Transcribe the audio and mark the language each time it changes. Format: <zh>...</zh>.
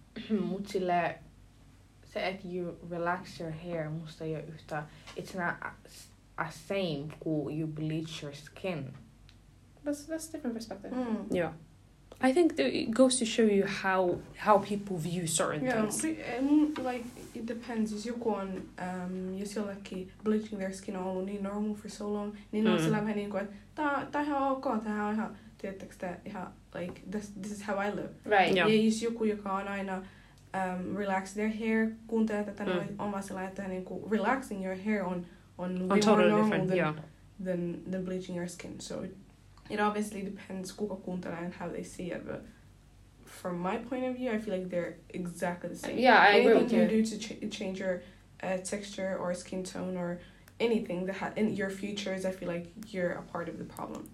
<fi>Mutsille se, että</fi> <en>you relax your hair,</en> <fi>musta ei ole yhtä,</fi> <en>it's not as same</en> <fi>kuin</fi> <en>you bleach your skin. That's a different perspective. Mm. Yeah. I think it goes to show you how people view certain things. Yeah, like, it depends.</en> <fi>Jos joku on, jos jollekin</fi> <en>bleaching their skin</en> <fi>on ollut niin</fi> <en>normal for so long,</en> <fi>niin on sillä vähän niin kuin, että tää on ihan ok, tää on ihan, tiedättekö te, ihan,</fi> <en>like, this is how I live. Right. Yeah.</en> <fi>Ja jos joku, joka on aina,</fi> <en>relax their hair,</en> <fi>kun teet tätä omaa sillä, että niinku</fi> <en>relaxing your hair</en> <fi>on</fi> <en>way totally more normal than bleaching your skin. So it obviously depends</en> <fi>kuka kuuntelee</fi> <en>and how they see it, but from my point of view, I feel like they're exactly the same. Yeah, I agree with you. Anything you do to change your texture or skin tone or anything that in your futures, I feel like you're a part of the problem.</en>